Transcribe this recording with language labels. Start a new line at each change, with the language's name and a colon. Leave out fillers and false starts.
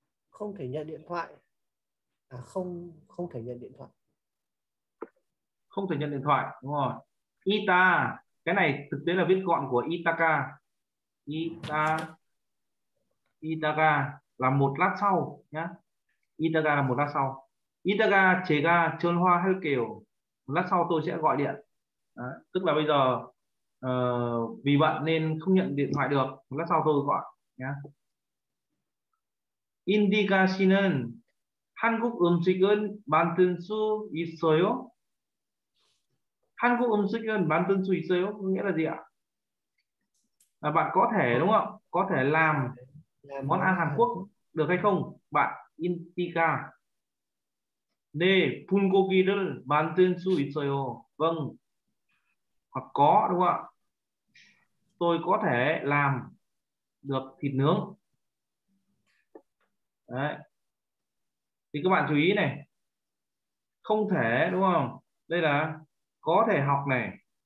Vietnamese: không thể nhận điện thoại. À không, không thể nhận điện thoại. Không thể nhận điện thoại, đúng rồi. Ita, cái này thực tế là viết gọn của Itaka. Ita Itaga là một lát sau nhá. Itaga là một lát sau.
Korean: Itaga 제가 전화 할게요.
Vietnamese: Lát sau tôi sẽ gọi điện. Đó. Tức là bây giờ vì bận nên không nhận điện thoại được. Lát sau tôi gọi nhá.
Korean: Indiga 씨는 한국 음식은 만들 수 있어요? 한국 음식은 만들 수 있어요?
Vietnamese: Nghĩa là gì ạ? Là bạn có thể, đúng không? Có thể làm món ăn Hàn Quốc được hay không? Bạn Intika. D.
Korean: 불고기를 만들 수 있어요.
Vietnamese: Vâng. Hoặc có, đúng không ạ? Tôi có thể làm được thịt nướng. Đấy. Thì các bạn chú ý này. Không thể, đúng không? Đây là có thể học này.